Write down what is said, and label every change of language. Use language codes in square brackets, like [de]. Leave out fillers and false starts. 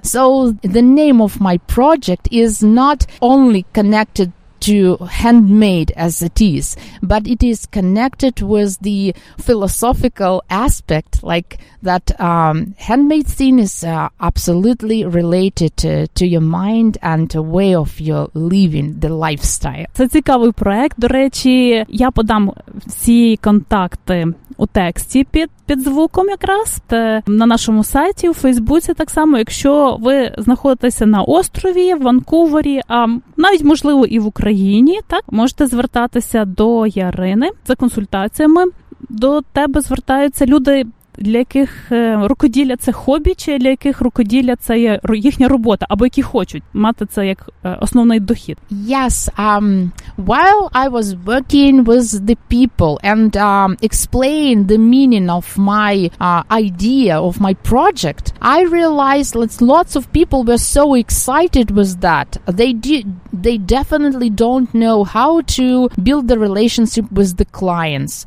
[en] So the name of my project is not only connected to handmade as it is, but it is connected with the philosophical aspect, like that handmade thing is absolutely related to your mind and to way of your living, the lifestyle. [uk] Це цікавий проект. До речі, я подам всі контакти у тексті під звуком якраз, на нашому сайті, у Фейсбуці так само, якщо ви знаходитеся на острові, в Ванкувері, а навіть, можливо, і в Україні, так, можете звертатися до Ярини за консультаціями. До тебе звертаються люди, для яких рукоділля – це хобі, чи для яких рукоділля – це їхня робота, або які хочуть мати це як основний дохід? [en] Yes, while I was working with the people and explain the meaning of my idea, of my project, I realized that lots of people were so excited with that. They definitely don't know how to build the relationship with the clients.